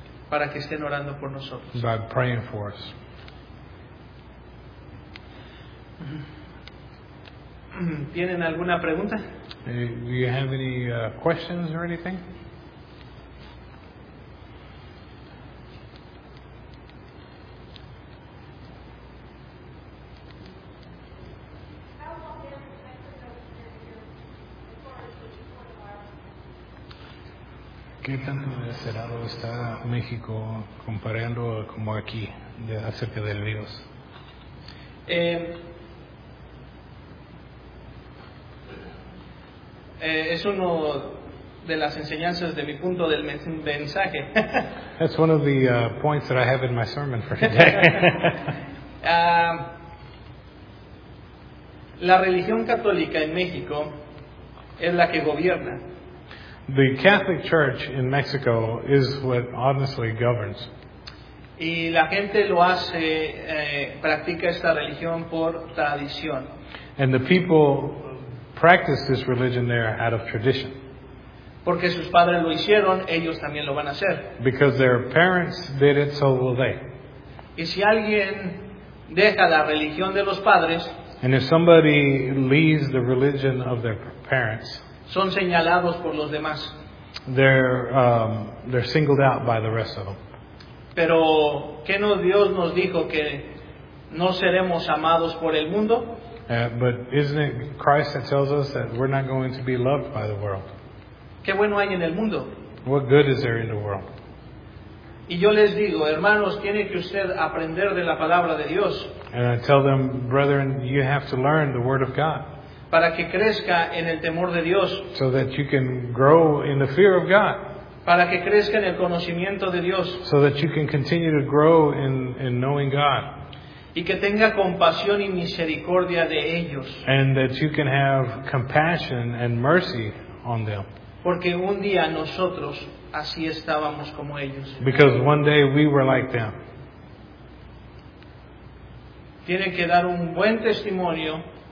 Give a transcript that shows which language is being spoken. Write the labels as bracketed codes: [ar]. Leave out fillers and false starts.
[es] Para que estén orando por nosotros. [en] By praying for us. [es] ¿Tienen alguna pregunta? [en] Do you have any questions or anything? [es] ¿Qué tanto desesperado está México comparando como aquí de acerca del virus? Es uno de las enseñanzas de mi punto del mensaje. [en] That's one of the points that I have in my sermon for today. [es] La religión católica en México es la que gobierna. [en] The Catholic Church in Mexico is what honestly governs. [es] Y la gente lo hace, practica esta religión por tradición. [en] And the people practice this religion there out of tradition. [es] Porque sus padres lo hicieron, ellos también lo van a hacer. [en] Because their parents did it, so will they. [es] Y si alguien deja la religión de los padres, [en] and if somebody leaves the religion of their parents, [es] son señalados por los demás. [en] They're singled out by the rest of them. [es] Pero ¿qué no Dios nos dijo que no seremos amados por el mundo? [en] But isn't it Christ that tells us that we're not going to be loved by the world? [es] ¿Qué bueno hay en el mundo? [en] What good is there in the world? [es] Y yo les digo, hermanos, tiene que usted aprender de la palabra de Dios. [en] And I tell them, brethren, you have to learn the word of God. [es] Para que crezca en el temor de Dios. [en] So that you can grow in the fear of God. [es] Para que crezca en el conocimiento de Dios. [en] So that you can continue to grow in knowing God. [es] Y que tenga compasión y misericordia de ellos. [en] And that you can have compassion and mercy on them. [es] Porque un día nosotros así estábamos como ellos. [en] Because one day we were like them. [es] Tiene que dar un buen testimonio.